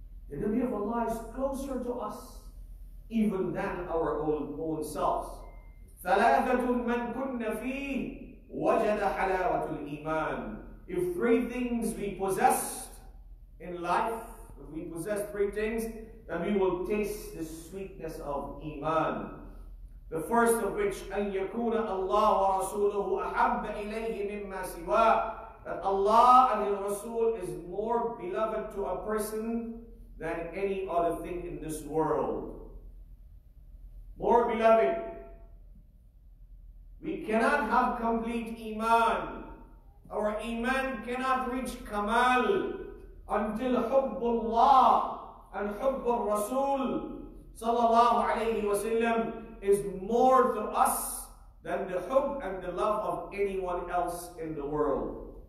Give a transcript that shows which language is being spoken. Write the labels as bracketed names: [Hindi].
[English] The Nabi of Allah is closer to us even than our own selves. [Arabic] ثَلَاثَةٌ مَنْ كُنَّ فِيهِ وَجَدَ حَلَاوَةُ الْإِيمَانِ. [English] If three things we possess in life, if we possess three things, then we will taste the sweetness of Iman. The first of which, [Arabic] أَنْ يَكُونَ اللَّهُ وَرَسُولُهُ أَحَبَّ إِلَيْهِ مِمَّا سِوَاهِ. [English] That Allah and His Rasul is more beloved to a person than any other thing in this world. More beloved. We cannot have complete Iman. Our Iman cannot reach Kamal until Hubbullah and Hubbul Rasul sallallahu alayhi wa sallam is more to us than the Hub and the love of anyone else in the world.